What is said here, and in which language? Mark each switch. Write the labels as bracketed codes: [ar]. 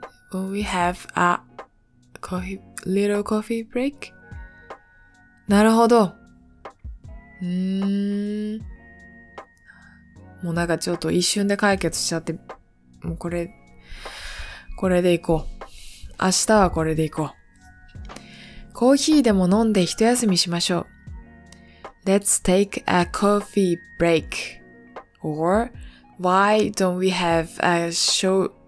[en] When we have a coffee, little coffee break? [ja] なるほど。もうなんかちょっと一瞬で解決しちゃって、もうこれでいこう。明日はこれでいこう。コーヒーでも飲んで一休みしましょう。 [en] Let's take a coffee break. Or, why don't we have a short break?